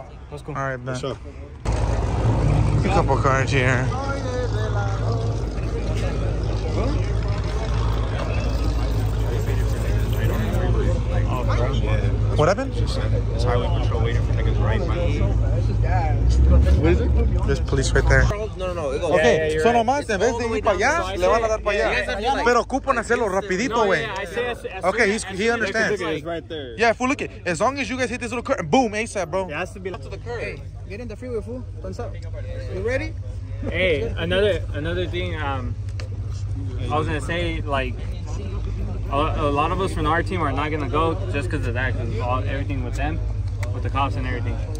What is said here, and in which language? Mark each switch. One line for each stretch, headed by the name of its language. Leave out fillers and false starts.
English: Let's go. All right, man. Sure. A couple cards here. What happened? It's highway patrol waiting for niggas right by me. What is it? There's police right there. No. Okay, yeah,
Spanish: solo más, en vez de ir para allá, le van a dar para allá. Pero ocupan hacerlo rapidito, güey.
English: Okay, he understands. Yeah, fool, look it. As long as you guys hit this little curb, boom, ASAP, bro. It has to be left to the curb. Hey, get in the freeway, fool. Thumbs up. You ready? Hey, another thing, I was going to say, like, a lot of us from our team are not going to go just because of that, because of everything with them, with the cops and everything.